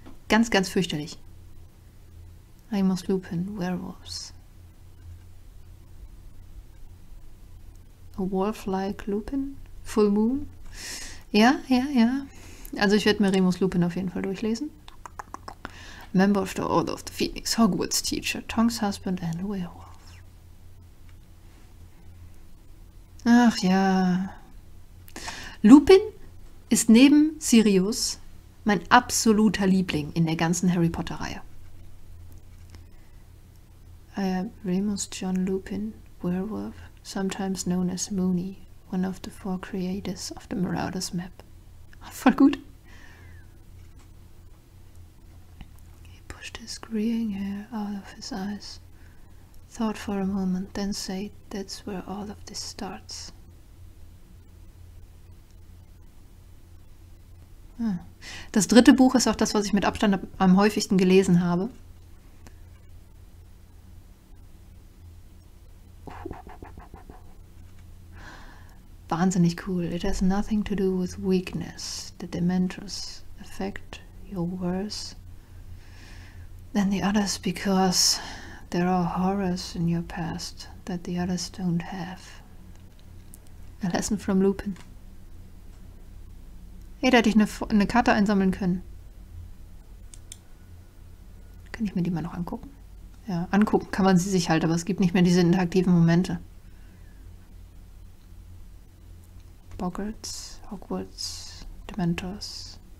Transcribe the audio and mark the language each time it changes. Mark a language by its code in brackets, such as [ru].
[de] Ganz, ganz fürchterlich. Remus Lupin, Werewolves. [en] A Wolf-like Lupin? Full Moon? Ja. [de] Also ich werde mir Remus Lupin auf jeden Fall durchlesen. [en] Member of the Order of the Phoenix, Hogwarts Teacher, Tonks Husband and Werewolf. [de] Ach ja. Lupin ist neben Sirius mein absoluter Liebling in der ganzen Harry Potter-Reihe. [en] Remus John Lupin, Werewolf, sometimes known as Moony, one of the four creators of the Marauders Map. [de] Voll gut. [en] Pushed his graying hair out of his eyes. Thought for a moment, then said, that's where all of this starts. [de] Das dritte Buch ist auch das, was ich mit Abstand am häufigsten gelesen habe. Wahnsinnig cool. [en] It has nothing to do with weakness. The Dementors affect your worse than the others because there are horrors in your past that the others don't have. A lesson from Lupin. [de] Hey, da hätte ich eine Karte einsammeln können. Kann ich mir die mal noch angucken? Ja, angucken kann man sie sich halt, aber es gibt nicht mehr diese interaktiven Momente. [en] Boggarts, Hogwarts, Dementors.